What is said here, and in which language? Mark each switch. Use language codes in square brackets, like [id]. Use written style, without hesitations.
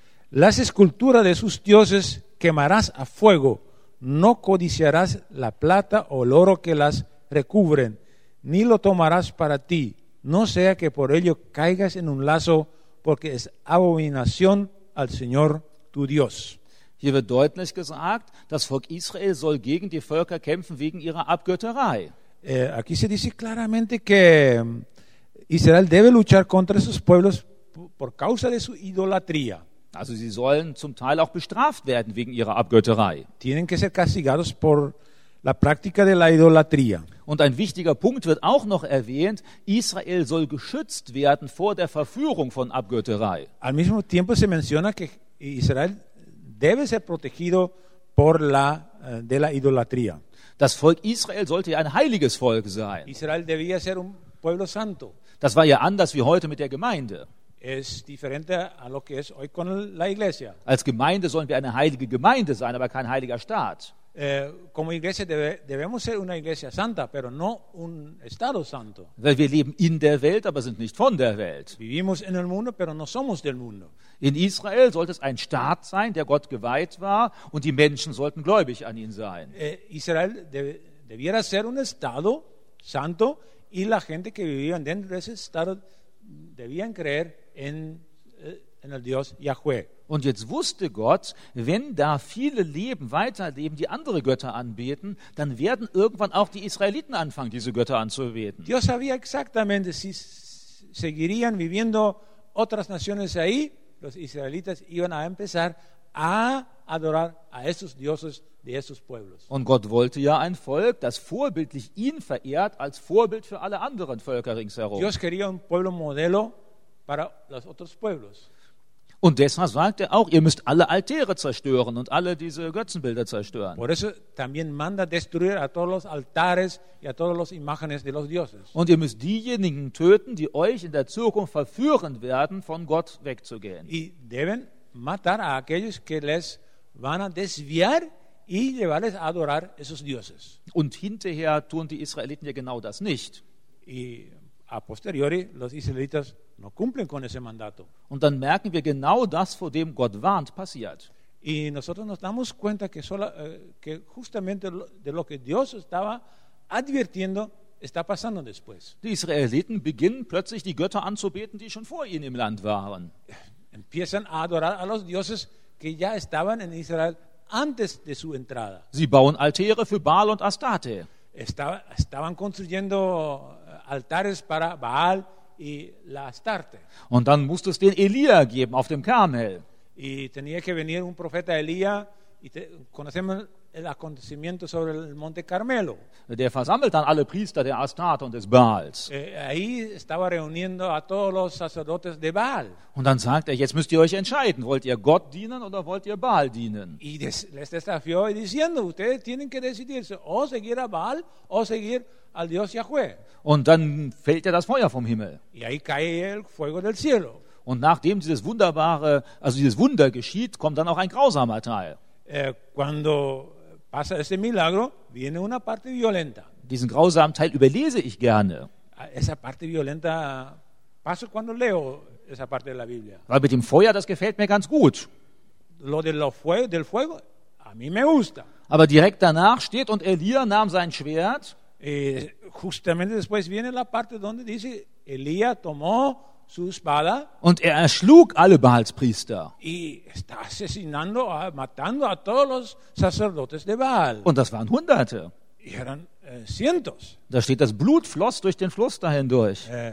[es] Las esculturas de sus dioses quemarás a fuego. No codiciarás la plata o el oro que las recubren, ni lo tomarás para ti, no sea que por ello caigas en un lazo, porque es abominación al Señor tu Dios. [de] Hier wird deutlich gesagt, das Volk Israel soll gegen die Völker kämpfen wegen ihrer Abgötterei. [es] Aquí se dice claramente que Israel debe luchar contra esos pueblos por causa de su idolatría. [de] Also sie sollen zum Teil auch bestraft werden wegen ihrer Abgötterei. [es] Tienen que ser castigados por la práctica de la idolatría. [de] Und ein wichtiger Punkt wird auch noch erwähnt, Israel soll geschützt werden vor der Verführung von Abgötterei. [es] Al mismo tiempo se menciona que Israel debe ser protegido por la de la idolatría. [de] Das Volk Israel sollte ja ein heiliges Volk sein. [es] Israel debía ser un pueblo santo. [de] Das war ja anders wie heute mit der Gemeinde. [es] Es diferente a lo que es hoy con la iglesia. [de] Als Gemeinde sollen wir eine heilige Gemeinde sein, aber kein heiliger Staat. [es] Como iglesia debemos ser una iglesia santa, pero no un estado santo. [de] Weil wir leben in der Welt, aber sind nicht von der Welt. [es] Vivimos en el mundo, pero no somos del mundo. [de] In Israel sollte es ein Staat sein, der Gott geweiht war, und die Menschen sollten gläubig an ihn sein. [es] Israel debiera ser un estado santo, y la gente que vivía dentro de ese estado debían creer en el Dios Yahweh. [de] Und jetzt wusste Gott, wenn da viele leben, weiterleben, die andere Götter anbeten, dann werden irgendwann auch die Israeliten anfangen, diese Götter anzubeten. [es] Dios sabía exactamente si seguirían viviendo otras naciones ahí, los israelitas iban a empezar a adorar a esos dioses de esos pueblos. [de] Und Gott wollte ja ein Volk, das vorbildlich ihn verehrt, als Vorbild für alle anderen Völker ringsherum. [es] Dios quería un pueblo modelo para los otros pueblos. [de] Und deshalb sagt er auch, ihr müsst alle Altäre zerstören und alle diese Götzenbilder zerstören. [es] Por eso también manda destruir a todos los altares y a todos los imágenes de los dioses. [de] Und ihr müsst diejenigen töten, die euch in der Zukunft verführen werden, von Gott wegzugehen. [es] Y deben matar a aquellos que les van a desviar y llevarles a adorar esos dioses. [de] Und hinterher tun die Israeliten ja genau das nicht. [es] Y a posteriori los israelitas no cumplen con ese mandato. [de] Und dann merken wir genau das, vor dem Gott warnt, passiert. [es] Y nosotros nos damos cuenta que solo que justamente de lo que Dios estaba advirtiendo está pasando después. [de] Die Israeliten beginnen plötzlich die Götter anzubeten, die schon vor ihnen im Land waren. [es] Empiezan a adorar a los dioses que ya estaban en Israel antes de su entrada. [de] Sie bauen Altäre für Baal und Astarte. [es] Estaban construyendo altares para Baal y la Astarte. [de] Und dann musste es den Elia geben auf dem Karmel. [es] Y tenía que venir un profeta Elia y conocemos el acontecimiento sobre el Monte Carmelo. [de] Der versammelt dann alle Priester der Astarte und des Baals. [es] Ahí estaba reuniendo a todos los sacerdotes de Baal. [de] Und dann sagt er, jetzt müsst ihr euch entscheiden, wollt ihr Gott dienen oder wollt ihr Baal dienen? [es] Y les desafió diciendo, ustedes tienen que decidirse, o seguir a Baal o seguir al Dios Yahweh. [de] Und dann fällt ja das Feuer vom Himmel. [es] Y ahí cae el fuego del cielo. [de] Und nachdem dieses wunderbare, also dieses Wunder geschieht, kommt dann auch ein grausamer Teil. [es] Cuando pasa ese milagro, viene una parte violenta. [de] Diesen grausamen Teil überlese ich gerne. [es] Esa parte violenta pasa cuando leo esa parte de la Biblia. [de] Weil mit dem Feuer, das gefällt mir ganz gut. [es] Lo de lo fuego, del fuego, a mí me gusta. [de] Aber direkt danach steht und Elia nahm sein Schwert. [es] Justamente después viene la parte donde dice Elia tomó su espada, [de] und er erschlug alle Baalspriester. [es] Y está asesinando, matando a todos los sacerdotes de Baal. [de] Und das waren Hunderte. [es] Y eran, cientos. [de] Da steht, das Blut floss durch den Fluss dahin durch.